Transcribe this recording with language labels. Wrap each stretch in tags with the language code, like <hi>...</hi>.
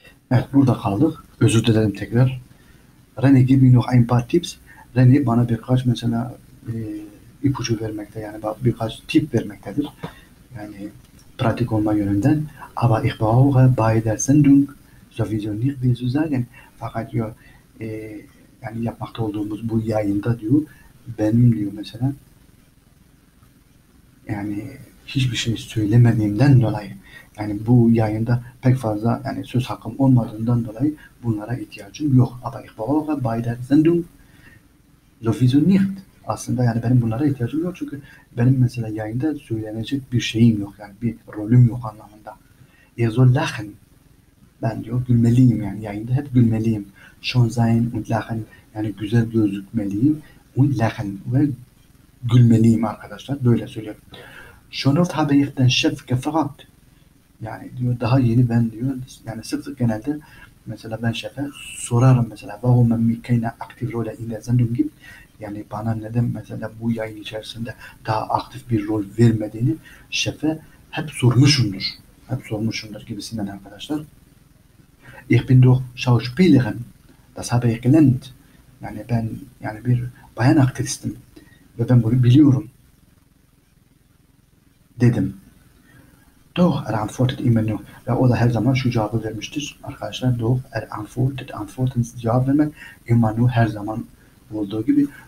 <tr>Evet, burada kaldık. Özür dilerim tekrar. René,</tr> <en>give me</en> <de>noch ein paar tips.</de> <tr>René bana birkaç mesela ipucu vermekte, yani birkaç tip vermektedir. Yani pratik olma yönünden.</tr> <de>Aber ich brauche bei der Sendung sowieso nicht wie zu sagen.</de> <tr>Fakat diyor, yani yapmakta olduğumuz bu yayında diyor, benim diyor mesela, yani hiçbir şey söylemediğimden dolayı, yani bu yayında pek fazla yani söz hakkım olmadığından dolayı bunlara ihtiyacım yok.</tr> <de>Aber ich brauche bei der Sendung sowieso nicht.</de> <tr>Aslında yani benim bunlara ihtiyacım yok, çünkü benim mesela yayında söylenecek bir şeyim yok, yani bir rolüm yok anlamında. Yazıyor lachen. Ben diyor gülmeliyim, yani yayında hep gülmeliyim.</tr> <de>Schön sein und lachen,</de> <tr>yani güzel gözükmeliyim.</tr> <de>Und lachen</de> <tr>ve gülmeliyim arkadaşlar, böyle söylüyorum.</tr> <de>Schön oft habe ich den Chef gefragt.</de> <tr>Yani diyor daha yeni ben diyor, yani sık sık genelde mesela ben şefe sorarım mesela.</tr> <de>Warum man mich keine aktive Rolle in der Sendung gibt?</de> <tr>Yani bana neden mesela bu yayın içerisinde daha aktif bir rol vermediğini şefe hep sormuşumdur. Hep sormuşumdur gibisinden arkadaşlar.</tr> <de>Ich bin doch Schauspielerin. Das habe ich gelernt.</de> <tr>Yani ben yani bir bayan aktristim ve ben bunu biliyorum. Dedim.</tr> <de>Doch, er antwortet immer noch.</de> <tr>Ve o da her zaman şu cevabı vermiştir arkadaşlar.</tr> <de>Doch, er antwortet. Antworten</de> <tr>cevap vermek</tr> <de>immer noch</de> <tr>her zaman olduğu gibi.</tr>